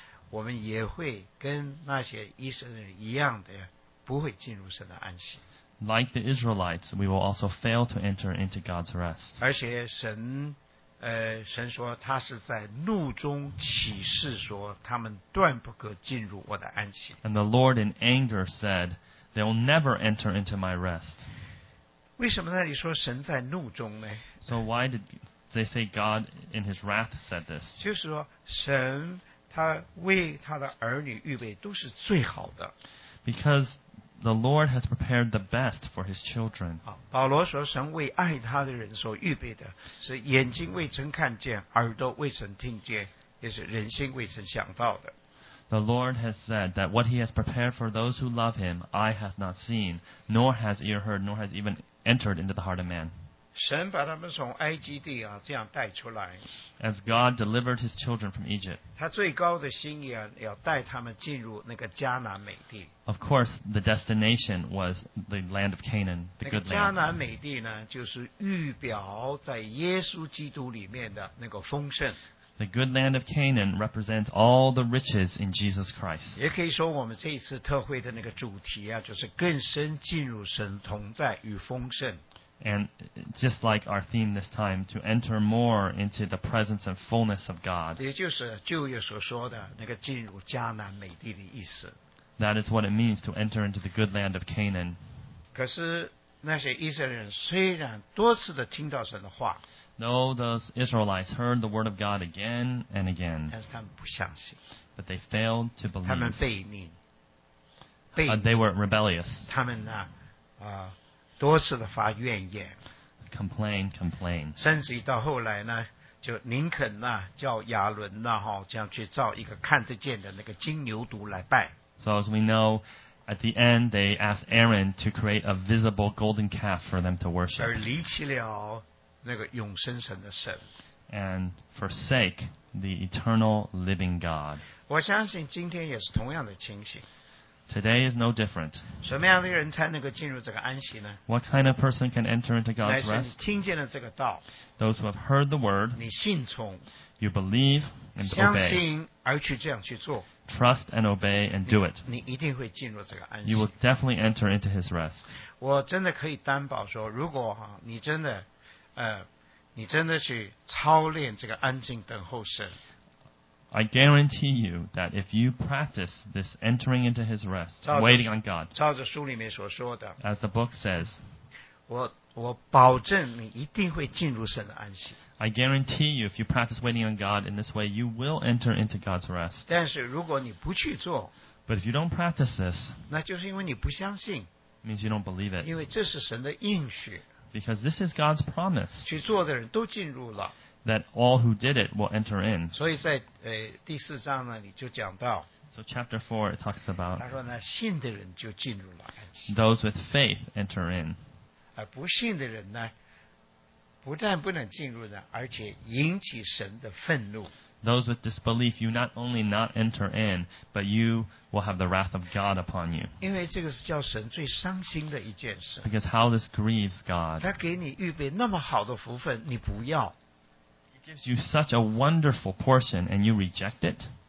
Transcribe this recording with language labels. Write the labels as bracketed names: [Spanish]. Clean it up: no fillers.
[Chinese] 我们也会跟那些以色列人一样的, 不会进入神的安息。 [English] Like the Israelites, we will also fail to enter into God's rest. [Chinese] 而且神神说他是在怒中启示说他们断不可进入我的安息。 [English] And the Lord in anger said, they'll never enter into my rest. [Chinese] 为什么那里说神在怒中呢？ [English] So why did they say God in his wrath said this? [Chinese] 就是说神他为他的儿女预备都是最好的。 [English] Because the Lord has prepared the best for his children. [Chinese] 保罗说神为爱他的人所预备的是眼睛未曾看见，耳朵未曾听见，也是人心未曾想到的。 [English] The Lord has said that what he has prepared for those who love him, eye hath not seen, nor has ear heard, nor has even entered into the heart of man. [Chinese] 神把他们从埃及地啊这样带出来。 [English] As God delivered his children from Egypt. [Chinese] 他最高的心意啊要带他们进入那个迦南美地。 [English] Of course, the destination was the land of Canaan, the good land. [Chinese] 那个迦南美地呢，就是预表在耶稣基督里面的那个丰盛。 [English] The good land of Canaan represents all the riches in Jesus Christ. [Chinese] 也可以说我们这一次特会的那个主题啊，就是更深进入神同在与丰盛。 [English] And just like our theme this time, to enter more into the presence and fullness of God. [Chinese] 也就是旧约所说的那个进入迦南美地的意思。 [English] That is what it means to enter into the good land of Canaan. [Chinese] 可是那些以色列人虽然多次的听到神的话， [English] though those Israelites heard the word of God again and again, [Chinese] 但是他们不相信， [English] but they failed to believe. [Chinese] 他们悖逆， [English] they were rebellious. [Chinese] 他们呢，多次的发怨言， [English] complain. [Chinese] 甚至到后来呢，就宁肯呢叫亚伦呢哈，这样去造一个看得见的那个金牛犊来拜。 [English] So as we know, at the end, they asked Aaron to create a visible golden calf for them to worship. [Chinese] 而离弃了那个永生神的神。 [English] And forsake the eternal living God. [Chinese] 我相信今天也是同样的情形。 [English] Today is no different. [Chinese] 什么样的人才能够进入这个安息呢？ [English] What kind of person can enter into God's rest? [Chinese] 乃是听见了这个道。 [English] Those who have heard the word. [Chinese] 你信从。 [English] You believe and obey. [Chinese] 相信而去这样去做。 [English] Trust and obey and do it. [Chinese] 你一定会进入这个安息。 [English] You will definitely enter into his rest. [Chinese] 我真的可以担保说，如果你真的去操练这个安静等候神。 [English] I guarantee you that if you practice this entering into his rest, waiting on God, [Chinese] 照着书里面所说的， [English] as the book says, [Chinese] 我保证你一定会进入神的安息。 [English] I guarantee you, if you practice waiting on God in this way, you will enter into God's rest. [Chinese] 但是如果你不去做， [English] but if you don't practice this, [Chinese] 那就是因为你不相信， [English] means you don't believe it. [Chinese] 因为这是神的应许， [English] because this is God's promise. [Chinese] 去做的人都进入了， [English] that all who did it will enter in. [Chinese] 所以在第四章呢，你就讲到。 [English] So chapter 4 it talks about. [Chinese] 他说呢，信的人就进入了安息。 [English] Those with faith enter in. [Chinese] 而不信的人呢，不但不能进入呢，而且引起神的愤怒。 [English] Those with disbelief, you not only not enter in, but you will have the wrath of God upon you. Because how this grieves God. He gives you such a wonderful portion and you reject it.